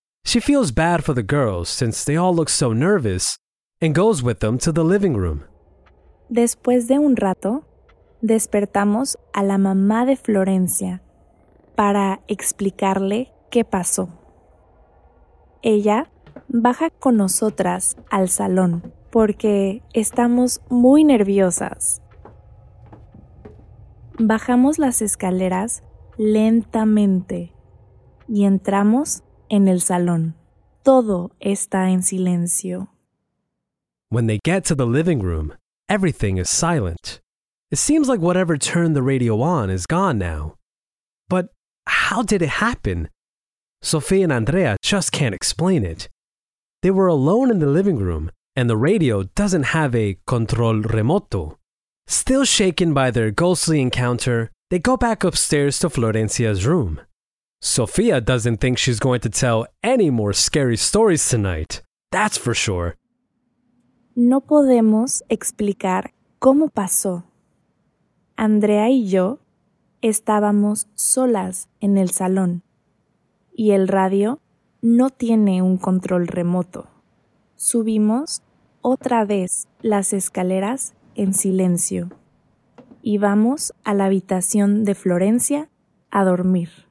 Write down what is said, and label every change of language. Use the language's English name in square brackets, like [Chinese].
[English] She feels bad for the girls since they all look so nervous and goes with them to the living room. [Spanish] Después de un rato, despertamos a la mamá de Florencia para explicarle qué pasó. Ella baja con nosotras al salón porque estamos muy nerviosas. Bajamos las escaleras lentamente y entramos en el salón. Todo está en silencio. [English] When they get to the living room, everything is silent. It seems like whatever turned the radio on is gone now. But how did it happen? Sofía and Andrea just can't explain it. They were alone in the living room, and the radio doesn't have a [Spanish] control remoto. [English] Still shaken by their ghostly encounter, they go back upstairs to Florencia's room. Sofía doesn't think she's going to tell any more scary stories tonight, that's for sure. [Spanish] No podemos explicar cómo pasó. Andrea y yo estábamos solas en el salón, y el radio no tiene un control remoto. Subimos otra vez las escaleras en silencio y vamos a la habitación de Florencia a dormir.